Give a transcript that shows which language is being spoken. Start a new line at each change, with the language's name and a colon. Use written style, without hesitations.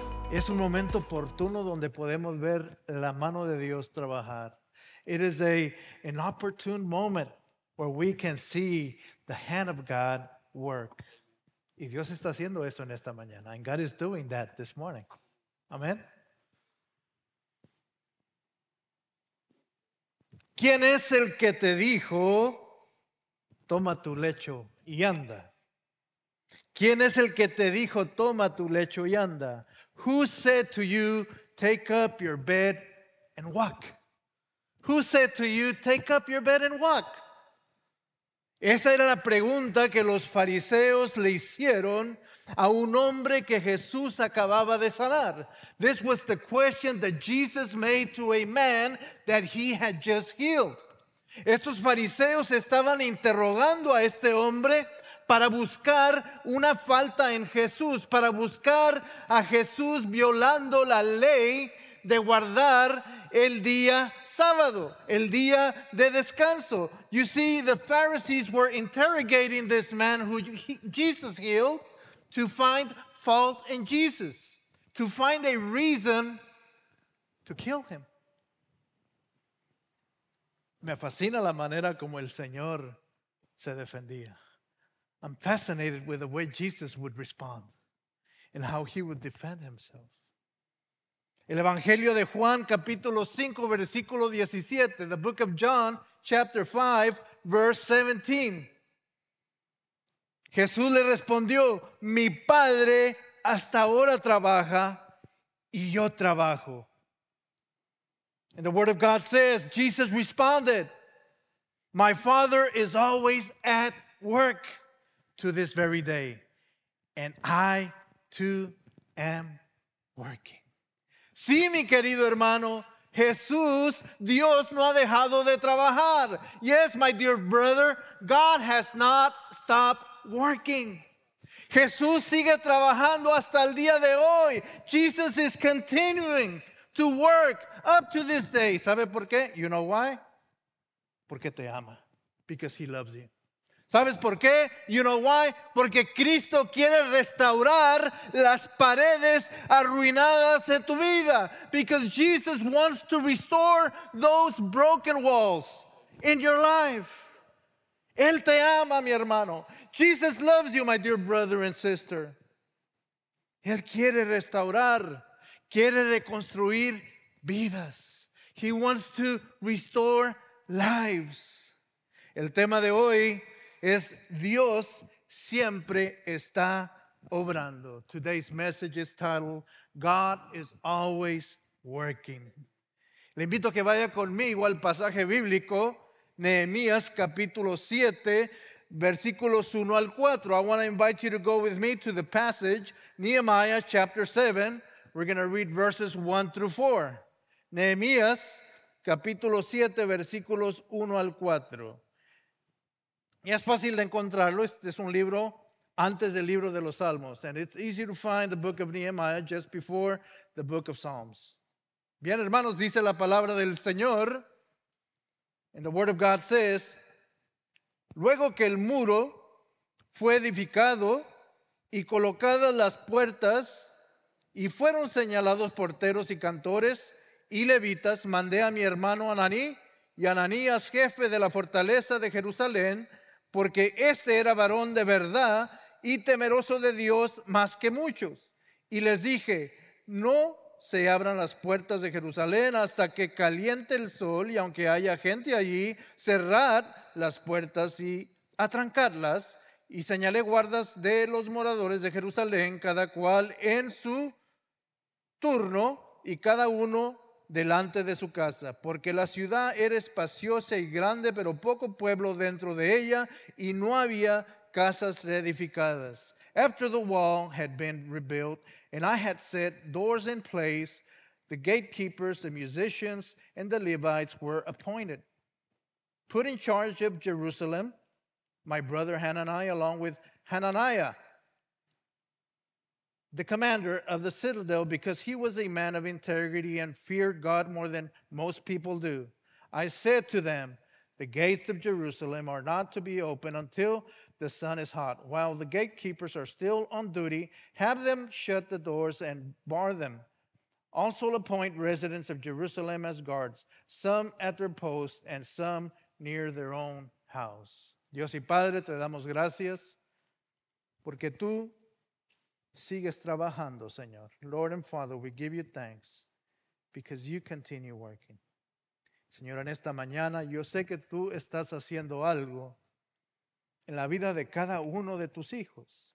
Spanish: Es un momento oportuno donde podemos ver la mano de Dios trabajar.
English: It is an opportune moment where we can see the hand of God work.
Spanish: Y Dios está haciendo eso en esta mañana.
English: And God is doing that this morning. Amen.
Spanish: ¿Quién es el que te dijo, toma tu lecho y anda? ¿Quién es el que te dijo, toma tu lecho y anda?
English: Who said to you, take up your bed and walk? Who said to you, take up your bed and walk?
Spanish: Esa era la pregunta que los fariseos le hicieron a un hombre que Jesús acababa de sanar.
English: This was the question that Jesus made to a man that he had just healed.
Spanish: Estos fariseos estaban interrogando a este hombre para buscar una falta en Jesús, para buscar a Jesús violando la ley de guardar el día sábado, el día de descanso.
English: You see, the Pharisees were interrogating this man who Jesus healed to find fault in Jesus, to find a reason to kill him.
Spanish: Me fascina la manera como el Señor se defendía.
English: I'm fascinated with the way Jesus would respond and how he would defend himself.
Spanish: El Evangelio de Juan, capítulo 5, versículo 17.
English: The book of John, chapter 5, verse 17.
Spanish: Jesús le respondió, mi Padre hasta ahora trabaja y yo trabajo.
English: And the word of God says, Jesus responded, my Father is always at work to this very day, and I too am working.
Spanish: Sí, mi querido hermano, Jesús, Dios no ha dejado de trabajar.
English: Yes, my dear brother, God has not stopped working.
Spanish: Jesús sigue trabajando hasta el día de hoy.
English: Jesus is continuing to work up to this day.
Spanish: ¿Sabe por qué?
English: You know why?
Spanish: Porque te ama.
English: Because he loves you.
Spanish: ¿Sabes por qué?
English: You know why?
Spanish: Porque Cristo quiere restaurar las paredes arruinadas de tu vida.
English: Because Jesus wants to restore those broken walls in your life.
Spanish: Él te ama, mi hermano.
English: Jesus loves you, my dear brother and sister.
Spanish: Él quiere restaurar, quiere reconstruir vidas.
English: He wants to restore lives.
Spanish: El tema de hoy es Dios siempre está obrando.
English: Today's message is titled, God is always working.
Spanish: Le invito a que vaya conmigo al pasaje bíblico, Nehemías capítulo 7, versículos 1 al 4.
English: I want to invite you to go with me to the passage, Nehemiah chapter 7. We're going to read verses 1 through 4.
Spanish: Nehemías capítulo 7, versículos 1 al 4. Y es fácil de encontrarlo, este es un libro antes del libro de los Salmos.
English: And it's easy to find the book of Nehemiah just before the book of Psalms.
Spanish: Bien, hermanos, dice la palabra del Señor.
English: And the word of God says,
Spanish: luego que el muro fue edificado y colocadas las puertas y fueron señalados porteros y cantores y levitas, mandé a mi hermano Ananí y Ananías, jefe de la fortaleza de Jerusalén, porque este era varón de verdad y temeroso de Dios más que muchos. Y les dije, no se abran las puertas de Jerusalén hasta que caliente el sol y aunque haya gente allí, cerrad las puertas y atrancarlas. Y señalé guardas de los moradores de Jerusalén, cada cual en su turno y cada uno delante de su casa, porque la ciudad era espaciosa y grande, pero poco pueblo dentro de ella, y no había casas reedificadas.
English: After the wall had been rebuilt, and I had set doors in place, the gatekeepers, the musicians, and the Levites were appointed. Put in charge of Jerusalem, my brother Hananiah, along with Hananiah, the commander of the citadel, because he was a man of integrity and feared God more than most people do. I said to them, the gates of Jerusalem are not to be opened until the sun is hot. While the gatekeepers are still on duty, have them shut the doors and bar them. also appoint residents of Jerusalem as guards, some at their post and some near their own house.
Spanish: Dios y Padre, te damos gracias porque tú sigues trabajando, Señor.
English: Lord and Father, we give you thanks because you continue working.
Spanish: Señor, en esta mañana yo sé que tú estás haciendo algo en la vida de cada uno de tus hijos.